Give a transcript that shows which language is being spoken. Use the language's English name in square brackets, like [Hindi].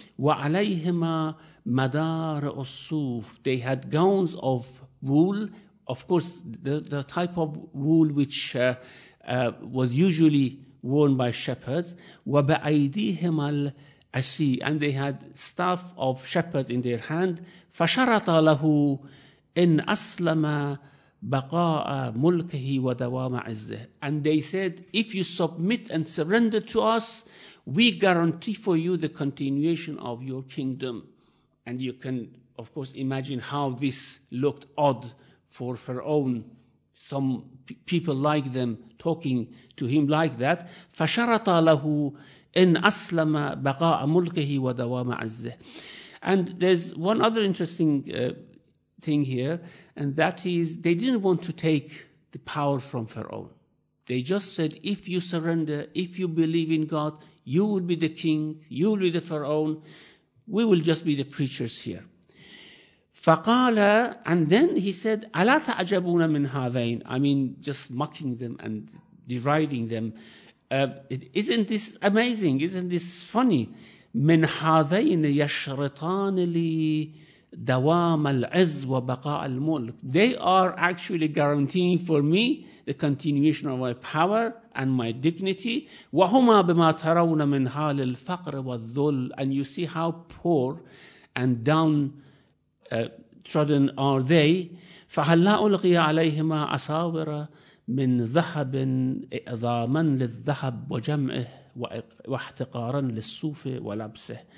[Arabic] وعليهما مدار الصوف. [English] They had gowns of wool. Of course, the type of wool which was usually worn by shepherds. [Arabic] وبأيديهما العصي. [English] And they had staff of shepherds in their hand. [Arabic] فشرط له إن أسلم بقاء ملكه ودوام عزه. [English] And they said, if you submit and surrender to us, we guarantee for you the continuation of your kingdom. And you can, of course, imagine how this looked odd for Pharaoh. Some people like them talking to him like that. [Arabic] فشرط له إن أسلم بقاء ملكه ودوام عزه. [English] And there's one other interesting thing here, and that is, they didn't want to take the power from Pharaoh. They just said, if you surrender, if you believe in God, you will be the king, you will be the Pharaoh, we will just be the preachers here. [Arabic] فَقَالَ, [English] and then he said, [Arabic] أَلَا تَعْجَبُونَ مِنْ هَذَيْنَ. [English] I mean, just mocking them and deriding them. Isn't this amazing? Isn't this funny? [Arabic] مِنْ هَذَيْنَ يَشْرِطَانِ لِي دوام العز وبقاء الملك. [English] They are actually guaranteeing for me the continuation of my power and my dignity. [Arabic] وهما بما ترون من حال الفقر والذل. [English] And you see how poor and downtrodden are they. [Arabic] فهلا ألقي عليهما أساور من ذهب إعظاما للذهب وجمعه وَاحْتِقَارًا لِلصُّوفِ وَلَبْسِهِ.